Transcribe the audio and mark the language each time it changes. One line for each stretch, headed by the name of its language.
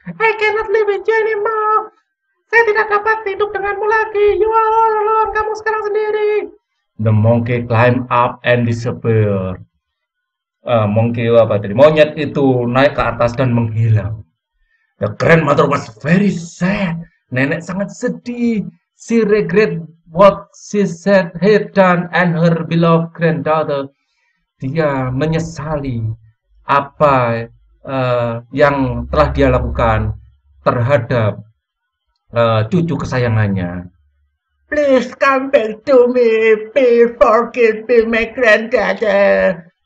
English: I cannot live with you anymore.
Indonesian: Saya tidak dapat hidup denganmu lagi.
English: You are all alone.
Indonesian: Kamu sekarang sendiri.
English: The monkey climb up and disappear. Monkey
Indonesian: apa tadi? Monyet itu naik ke atas dan menghilang.
English: The grandmother was very sad.
Indonesian: Nenek sangat sedih.
English: She regret what she said had done and her beloved granddaughter.
Indonesian: Dia menyesali apa yang telah dia lakukan terhadap cucu kesayangannya.
English: Please come back to me. Please forgive me, my granddaughter.